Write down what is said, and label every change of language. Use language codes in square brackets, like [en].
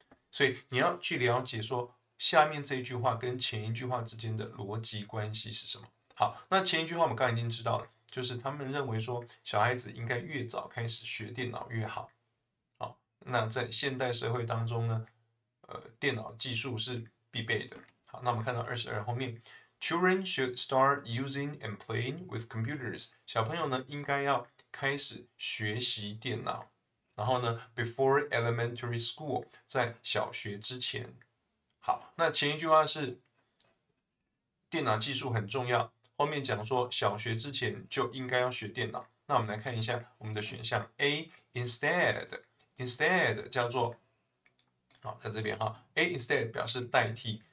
[zh] 所以你要去了解说下面这一句话跟前一句话之间的逻辑关系是什么。好，那前一句话我们刚刚已经知道了，就是他们认为说小孩子应该越早开始学电脑越好。那在现代社会当中呢，电脑技术是必备的。好，那我们看到22后面， [en] Children should start using and playing with computers。 [zh] 小朋友呢应该要开始学习电脑，然后呢， [en] before elementary school， [zh] 在小学之前。好，那前一句话是电脑技术很重要。后面讲说，小学之前就应该要学电脑。那我们来看一下我们的选项 A，instead 叫做，在这边哈，A instead 表示代替。